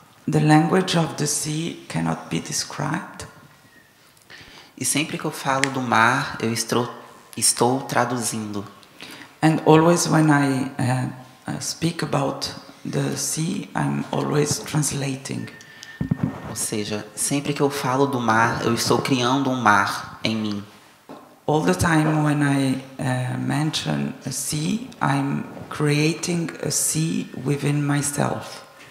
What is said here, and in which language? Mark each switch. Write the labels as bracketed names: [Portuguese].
[English] The language of the sea cannot be described. [Portuguese] E sempre que eu falo do mar, eu estou traduzindo. [English] And always when I speak about the sea, I'm always translating. [Portuguese] Ou seja, sempre que eu falo do mar, eu estou criando um mar em mim. [English] All the time when I mention a sea, I'm creating a sea within myself.